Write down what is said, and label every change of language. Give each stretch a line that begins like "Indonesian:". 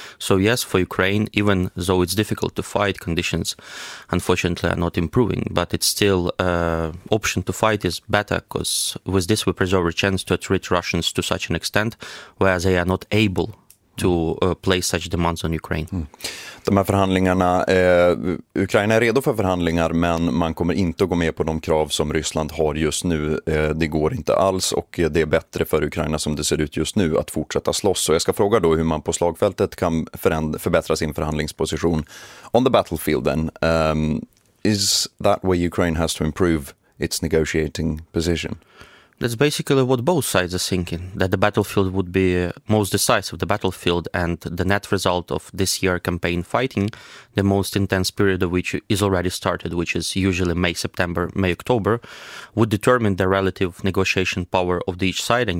English: So yes, for Ukraine, even though it's difficult to fight, conditions unfortunately are not improving, but it's still option to fight is better, because with this we preserve a chance to treat Russians to such an extent where they are not able to place such demands on Ukraine.
Swedish: De här förhandlingarna, Ukraina är redo för förhandlingar, men man kommer inte att gå med på de krav som Ryssland har just nu. Det går inte alls, och det är bättre för Ukraina som det ser ut just nu att fortsätta slåss. Så jag ska fråga då hur man på slagfältet kan förbättra sin förhandlingsposition.
English: On the battlefield then, is that where Ukraine has to improve its negotiating position? That's basically what both sides are thinking, that the battlefield would be most decisive, the battlefield and the net result of this year campaign fighting, the most intense period of which is already started, which is usually May, September, May, October, would determine the relative negotiation power of each side.